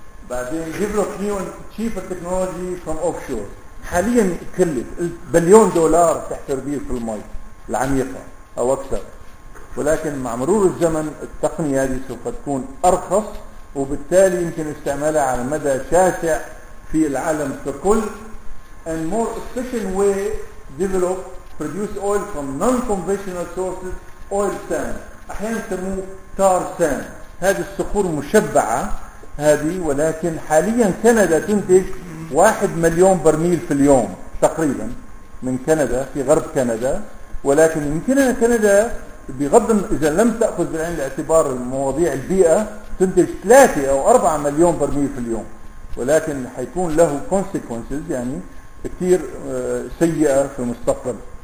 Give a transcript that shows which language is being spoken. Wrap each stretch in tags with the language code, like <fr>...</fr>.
<en>بعدين develop new and cheaper technology from offshore.</en> <ar>حاليا كلف بليون دولار تحفر بيه في المي العميقة أو أكثر، ولكن مع مرور الزمن التقنية هذه سوف تكون أرخص، وبالتالي يمكن استعمالها على مدى شاسع في العالم ككل.</ar> <en>And more efficient way develop produce oil from non-conventional sources, oil sand.</en> <ar>أحيانا يسموه tar sand. هذه الصخور مشبعة هذه، ولكن حاليا كندا تنتج 1 مليون برميل في اليوم تقريبا من كندا في غرب كندا. ولكن يمكن أن كندا بغض إذا لم تأخذ بعين الاعتبار المواضيع البيئة تنتج 3 أو 4 مليون برميل في اليوم، ولكن حيكون له consequences يعني كثير سيئة في المستقبل.</ar>